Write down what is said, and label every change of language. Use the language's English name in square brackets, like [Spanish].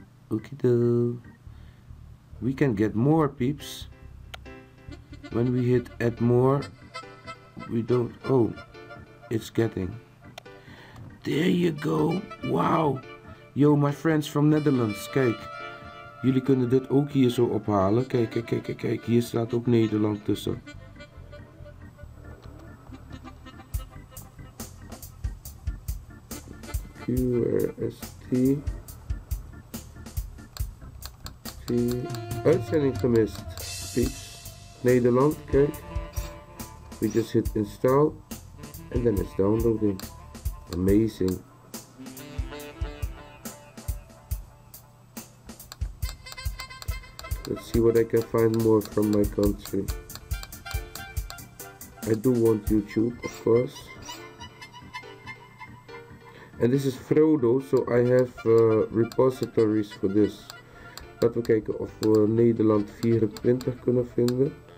[English] Okie doke. We can get more, peeps. When we hit add more, we don't. Oh, it's getting. There you go. Wow. Yo, my friends from Netherlands. [Dutch] Kijk. Jullie kunnen dit ook hier zo ophalen. Kijk, kijk, kijk, kijk, kijk. Hier staat ook Nederland tussen. QRST uitzending gemist, peeps. Nederland, kijk. [English] We just hit install and then it's downloading. Amazing. Let's see what I can find more from my country. I do want YouTube, of course. And this is Frodo, so I have repositories for this. [Dutch] Laten we kijken of we Nederland 24 kunnen vinden.